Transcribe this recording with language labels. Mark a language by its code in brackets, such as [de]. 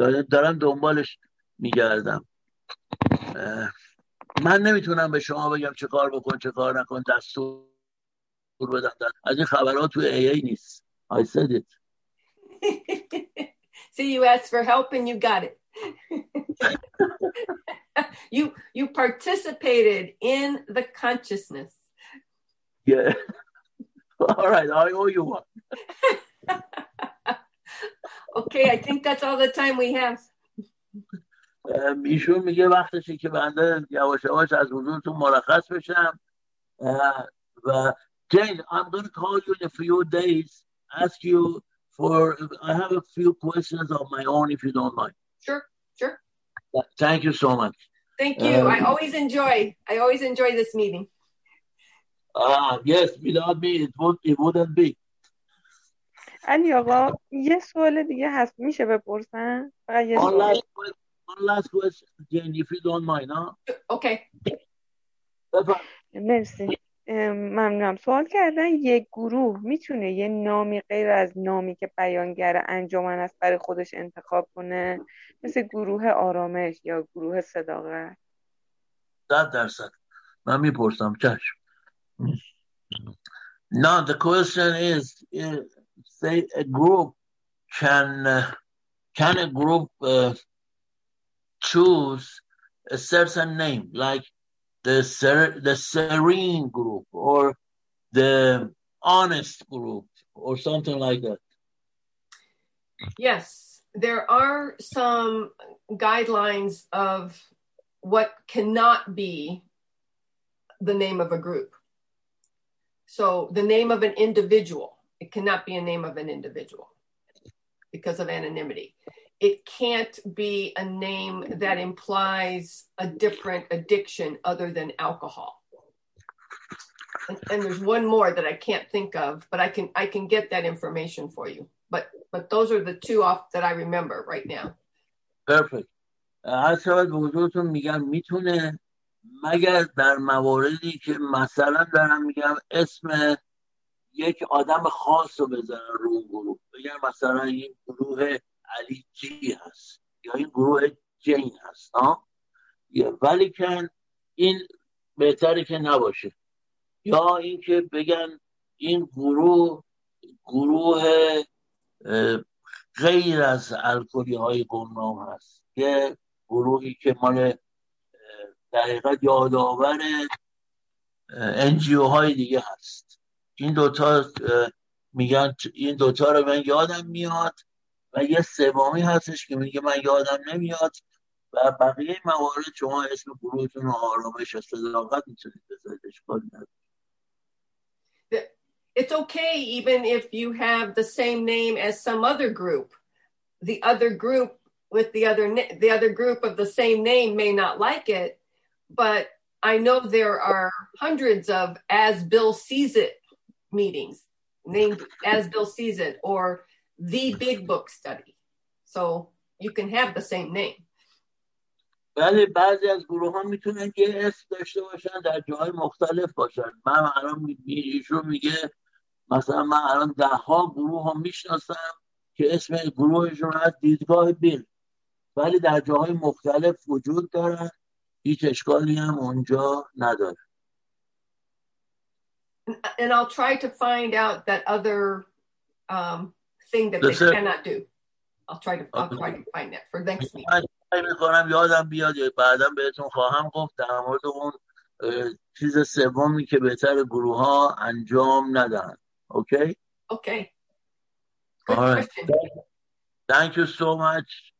[fa] دارم دنبالش میگردم. من نمیتونم به شما بگم چه کار بکن چه کار نکن، دستور بدم، از این خبرها تو ای نیست. [en] I said it. See, you asked for help and you got it. you participated in the consciousness. Yeah. All right, I owe you one. Okay, I think that's all the time we have. [fa] ایشون میگه وقتشه که بنده یواش یواش از حضورتون مرخص بشم. [en] و Jane, I'm going to call you in a few days, ask you for, I have a few questions of my own if you don't mind. Sure. Thank you so much. Thank you. I always enjoy this meeting. Yes, without me it wouldn't be. [fa] علی آقا یه سوال دیگه هست میشه بپرسن؟ فقط یه سوال. [en] One last question, Jane, if you don't mind, huh? Okay. [fa] مرسی. ممنونم. سوال کردن یک گروه میتونه یه نامی غیر از نامی که بیانگر انجمن است برای خودش انتخاب کنه، مثل گروه آرامش یا گروه صداقت؟ 100%. من میپرسم. چشم. [en] Now the question is, say a group can a group choose a certain name, like the serene group or the honest group or something like that? Yes, there are some guidelines of what cannot be the name of a group. So the name of an individual, it cannot be a name of an individual because of anonymity. It can't be a name that implies a different addiction other than alcohol. And there's one more that I can't think of, but I can get that information for you. But those are the two off that I remember right now. Perfect. [fa] از شبت به حضورتون میگم میتونه مگر در مواردی که مثلا دارم میگم اسم یک آدم خاص رو بذارن رو گروه. بگم مثلا این گروه علی جی هست یا این گروه جین هست. ولی که این بهتره که نباشه. یا اینکه بگن این گروه غیر از الکلی های گمنام هست، یه گروهی که مال دقیقت یادآور انجیو های دیگه هست. این دوتا میگن، این دوتا رو من یادم میاد و یه سومی هستش که میگه من یادم نمیاد. و بقیه موارد شما اسم گروهتون رو آرامش و صداقت میتونید بذارید، اشکال نداره. [en] It's okay even if you have the same name as some other group. The other group with the other group of the same name may not like it, but I know there are hundreds of As Bill Sees It meetings named As Bill Sees It or The Big Book Study. So you can have the same name. [fa] بله، بعضی از گروه ها میتونن یه اسم داشته باشن در جاهای مختلف باشن. من الان ایشون میگه مثلا من الان ده ها گروه ها میشناسم که اسم گروهشون از دیدگاه بیل، ولی در جاهای مختلف وجود دارن، هیچ اشکالی هم اونجا نداره. [en] And I'll try to find out that other thing that they cannot do. I'll try to find that for next week. [fa] یادم بیاد بعدم بهتون خواهم گفت در مورد اون چیز سومی که بهتر گروه ها انجام ندهند. [en] Okay. Good All right. question. Thank you so much.